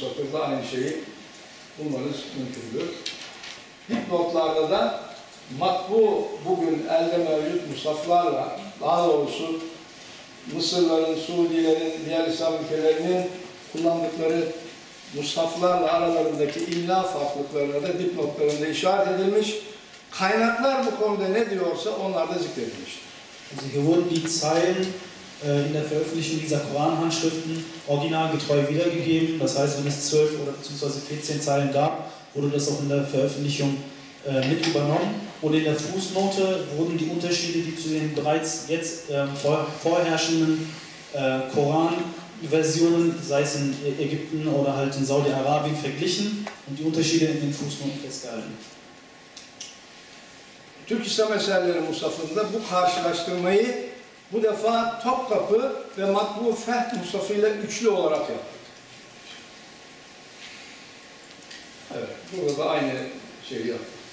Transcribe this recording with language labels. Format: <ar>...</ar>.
<tr>satırda aynı şeyi bulmanız mümkündür. Dipnotlarda da matbu bugün elde mevcut musaflarla, daha doğrusu Mısırların, Suudilerin, diğer İslam ülkelerinin kullandıkları musaflarla aralarındaki imla farklılıklarına da dipnotlarında işaret edilmiş. Kaynaklar bu konuda ne diyorsa onlar da zikredilmiş.</tr> <de>Also hier wurden die Zeilen in der Veröffentlichung dieser Koranhandschriften originalgetreu wiedergegeben. Das heißt, wenn es 12 oder beziehungsweise 14 Zeilen gab, wurde das auch in der Veröffentlichung mit übernommen. Und in der Fußnote wurden die Unterschiede, die zu den bereits jetzt vorherrschenden Koranversionen, sei es in Ägypten oder halt in Saudi-Arabien, verglichen und die Unterschiede in den Fußnoten festgehalten.</de> <tr>Türk İslam Eserleri Musaf'ında bu karşılaştırmayı bu defa Topkapı ve Matbu Fehd Musaf'ı ile üçlü olarak yaptık. Evet, burada da aynı şeyi yaptık.</tr>